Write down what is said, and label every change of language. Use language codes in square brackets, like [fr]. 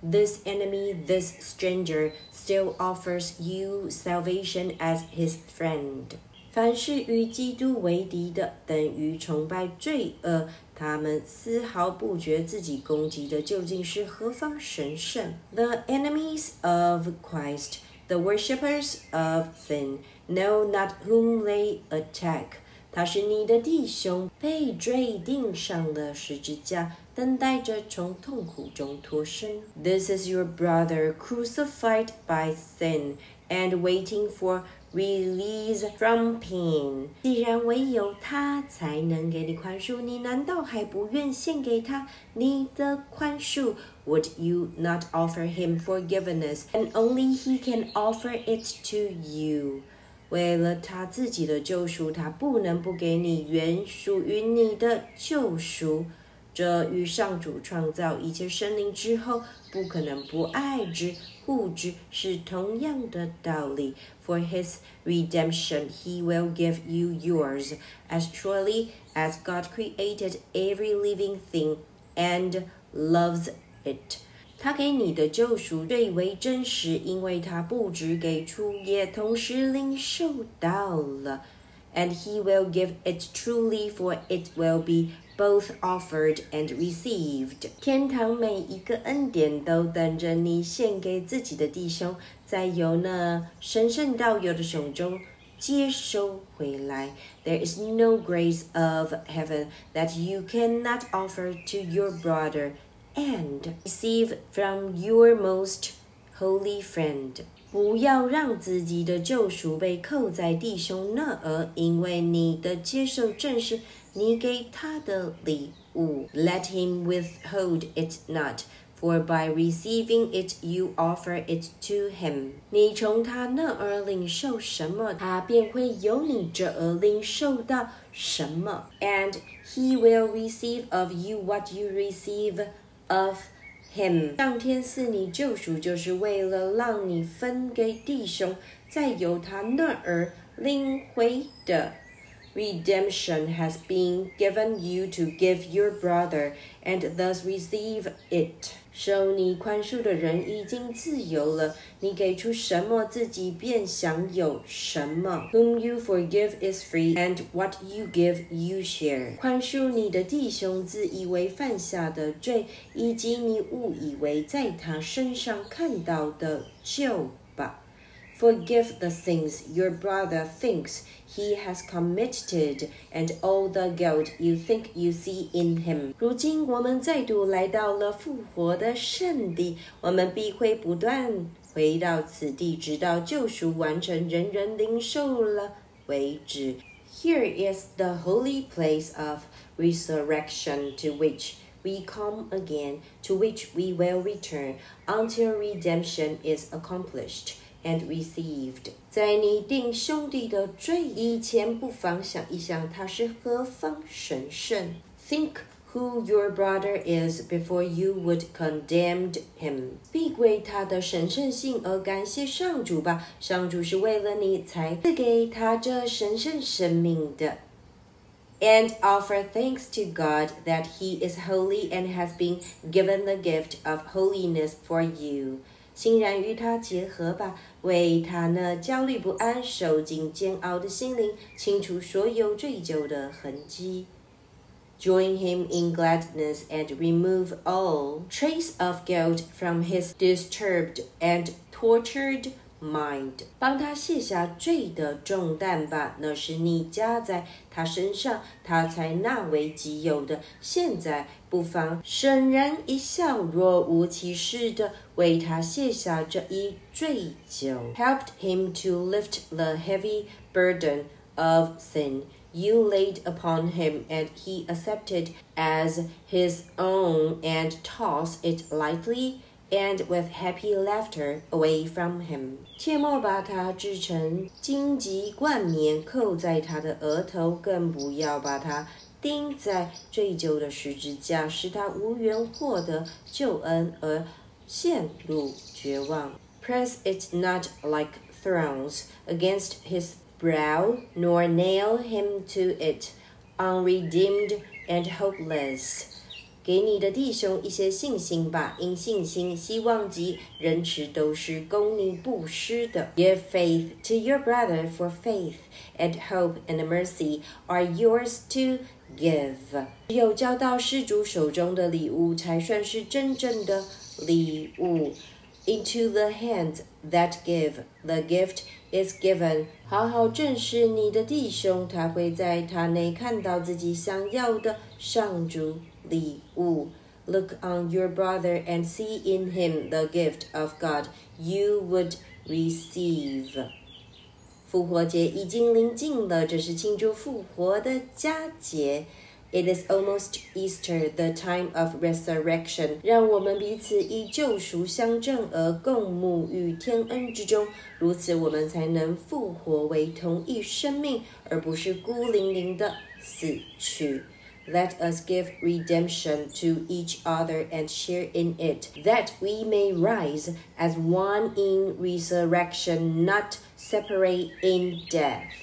[en] This enemy, this stranger, still offers you salvation as his friend. [zh] 凡是与基督为敌的，等于崇拜罪恶。他们丝毫不觉自己攻击的究竟是何方神圣。 [en] The enemies of Christ, the worshippers of sin, know not whom they attack. [zh] 他是你的弟兄，被罪钉上了十字架，等待着从痛苦中脱身。 [en] This is your brother crucified by sin and waiting for release from pain. [zh] 既然唯有他才能给你宽恕，你难道还不愿献给他你的宽恕？ [en] Would you not offer him forgiveness? And only he can offer it to you. [zh] 为了他自己的救赎，他不能不给你原属于你的救赎。这与上主创造一切生灵之后，不可能不爱之、护之，是同样的道理。 [en] For his redemption, he will give you yours. As truly as God created every living thing and loves it. [zh] 他给你的救赎最为真实，因为他不只给出，也同时领受到了。 [en] And he will give it truly, for it will be both offered and received. [zh] 天堂每一个恩典都等着你献给自己的弟兄，再由那神圣道友的手中接收回来。 [en] There is no grace of heaven that you cannot offer to your brother. And receive from your most holy friend. [zh] 不要让自己的救赎被扣在弟兄那儿，因为你的接受正是你给他的礼物。 [en] Let him withhold it not, for by receiving it you offer it to him. [zh] 你从他那儿领受什么，他便会由你这儿领受到什么。 [en] And he will receive of you what you receive. Of him. [zh] 上天赐你救赎，就是为了让你分给弟兄，再由他那儿领回的。 [en] Redemption has been given you to give your brother and thus receive it. [zh] 受你宽恕的人已经自由了，你给出什么，自己便享有什么。 [en] Whom you forgive is free, and what you give, you share. [zh] 宽恕你的弟兄自以为犯下的罪，以及你误以为在他身上看到的旧。 [en] Forgive the things your brother thinks he has committed and all the guilt you think you see in him. [zh] 如今我们再度来到了复活的圣地，我们必会不断回到此地，直到救赎完成，人人领受了为止。 [en] Here is the holy place of resurrection to which we come again, to which we will return until redemption is accomplished. And received. [zh] 在你定兄弟的罪以前，不妨想一想他是何方神圣。 [en] Think who your brother is before you would condemn him. [zh] 必为他的神圣性而感谢上主吧，上主是为了你才赐给他这神圣生命的。 [en] And offer thanks to God that he is holy and has been given the gift of holiness for you. [zh] 欣然与他结合吧，为他那焦虑不安、受尽煎熬的心灵清除所有罪疚的痕迹。 [en] Join him in gladness and remove all trace of guilt from his disturbed and tortured mind. [zh] 帮他卸下罪的重担吧，那是你加在他身上，他才纳为己有的。现在不妨沈然一笑，若无其事的为他卸下这一罪疚。 [en] Helped him to lift the heavy burden of sin. You laid upon him, and he accepted as his own, and tossed it lightly and with happy laughter away from him. [zh] 切莫把它制成荆棘冠冕扣在他的额头，更不要把它钉在罪疚的十字架，使他无缘获得救恩而陷入绝望。 [en] Press it not like thorns against his. Brow, nor nail him to it, unredeemed and hopeless. [zh] 给你的弟兄一些信心吧，因信心、希望及仁慈都是供你不失的。 [en] Give faith to your brother, for faith and hope and mercy are yours to give. [zh] 只有交到施主手中的礼物才算是真正的礼物。 [en] Into the hands that give the gift. Is given. [zh] 好好正视你的弟兄，他会在他内看到自己想要的上主礼物。 [en] Look on your brother and see in him the gift of God you would receive. [zh] 复活节已经临近了，这是庆祝复活的佳节。 [en] It is almost Easter, the time of resurrection. [zh] 让我们彼此以救赎相证而共沐于天恩之中，如此我们才能复活为同一生命，而不是孤零零的死去。 [en] Let us give redemption to each other and share in it, that we may rise as one in resurrection, not separate in death.